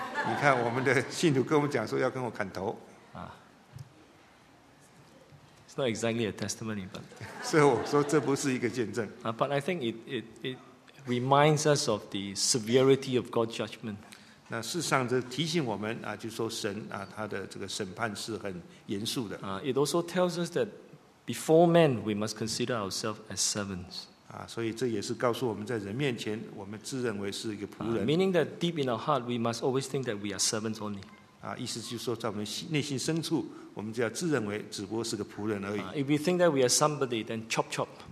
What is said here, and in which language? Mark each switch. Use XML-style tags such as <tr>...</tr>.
<zh>你看我们的信徒跟我们讲说要跟我砍头。</zh> <en>It's not exactly a testimony, but.</en> <zh>所以我说这不是一个见证。</zh> <en>But I think it reminds us of the severity of God's judgment.</en> <zh>那事实上这提醒我们，就说神，他的这个审判是很严肃的。</zh> <en>It also tells us that before men, we must consider ourselves as servants.</en> <zh>所以这也是告诉我们在人面前，我们自认为是一个仆人。</zh> <en>Meaning that deep in our heart, we must always think that we are servants only.</en> <zh>意思就是说在我们内心深处，我们就要自认为只不过是个仆人而已。</zh> <en>If we think that we are somebody, then chop chop.</en>